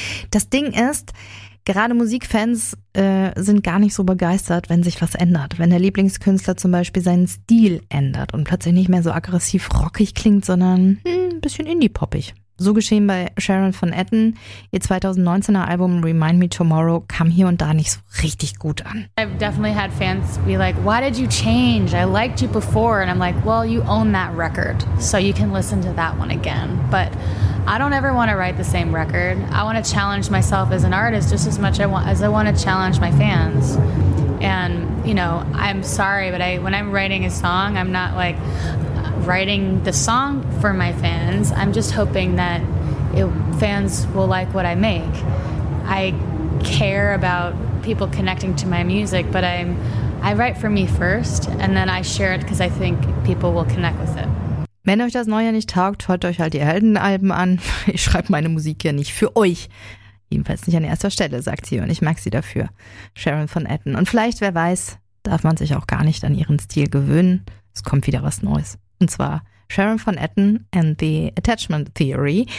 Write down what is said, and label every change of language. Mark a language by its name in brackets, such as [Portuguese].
[German] Das Ding ist, gerade Musikfans sind gar nicht so begeistert, wenn sich was ändert. Wenn der Lieblingskünstler zum Beispiel seinen Stil ändert und plötzlich nicht mehr so aggressiv rockig klingt, sondern ein bisschen indie-poppig. So geschehen bei Sharon van Etten. Ihr 2019er Album Remind Me Tomorrow kam hier und da nicht so richtig gut an. [English] I've definitely had fans be like, why did you change? I liked you before. And I'm like, well, you own that record, so you can listen to that one again. But I don't ever want to write the same record. I want to challenge myself as an artist just as much as I want to challenge my fans. And, you know, I'm sorry, but when I'm writing a song, I'm not like writing the song for my fans. I'm just hoping that fans will like what I make. I care about people connecting to my music, but I write for me first and then I share it because I think people will connect with it. [German] Wenn euch das Neue nicht taugt, hört euch halt die Heldenalben an. Ich schreibe meine Musik ja nicht für euch. Jedenfalls nicht an erster Stelle, sagt sie, und ich mag sie dafür. Sharon van Etten. Und vielleicht, wer weiß, darf man sich auch gar nicht an ihren Stil gewöhnen. Es kommt wieder was Neues. Und zwar Sharon van Etten and the Attachment Theory.